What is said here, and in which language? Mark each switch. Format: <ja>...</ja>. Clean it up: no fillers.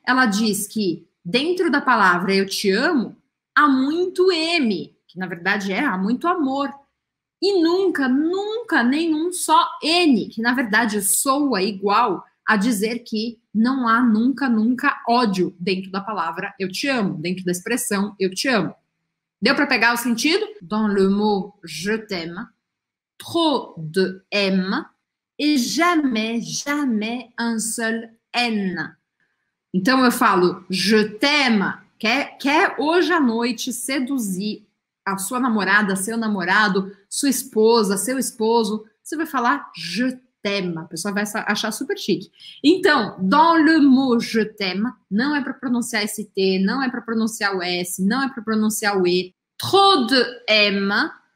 <pt>Ela diz que dentro da palavra eu te amo, há muito M, que na verdade é há muito amor. E nunca, nunca, nenhum só N, que na verdade soa igual a dizer que não há nunca, nunca ódio dentro da palavra eu te amo, dentro da expressão eu te amo. Deu para pegar o sentido?</pt> <fr>Dans le mot je t'aime, trop de aime, et jamais, jamais un seul N.</fr> <pt>Então eu falo</pt> <fr>je t'aime,</fr> <pt>quer hoje à noite seduzir a sua namorada, seu namorado, sua esposa, seu esposo, você vai falar je t'aime. A pessoa vai achar super chique. Então,</pt> <fr>dans le mot je t'aime,</fr> <pt>não é para pronunciar esse T, não é para pronunciar o S, não é para pronunciar o E.</pt> <fr>Trop de aime,</fr>